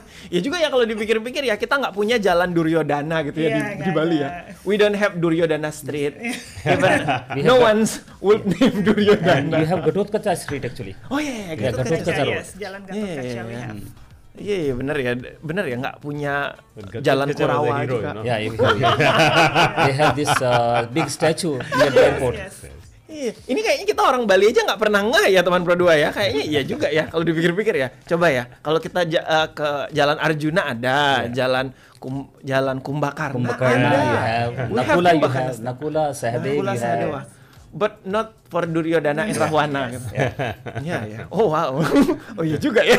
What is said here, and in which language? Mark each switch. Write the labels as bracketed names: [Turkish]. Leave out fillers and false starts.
[Indonesian] Ya juga ya kalau dipikir-pikir ya, kita enggak punya jalan Duryodhana gitu ya di Bali ya. [English] We don't have Duryodhana Street. No one's would name Duryodhana. We have Gatot Kaca Street actually. [Indonesian] Oh iya, [English] Gatot Kaca. Yes, jalan Gatot Kaca we have. [Indonesian] Iya, benar ya enggak punya jalan Kurawa juga. [English] Ya, we have this big statue near the airport. [Indonesian] Iya, ini kayaknya kita orang Bali aja nggak pernah ngeh ya teman Pro 2 ya. Kayaknya iya juga ya kalau dipikir-pikir ya. Coba ya, kalau kita ke Jalan Arjuna ada, Jalan Kumbhakarna. Kumbhakarna ada. [English] You have. Nakula you have. Nakula Sahadeva. Nakula Sahadeva. But not for Duryodhana and Rahwana. [Indonesian] Iya, [English] yeah. Oh wow. [Indonesian] Oh iya juga ya.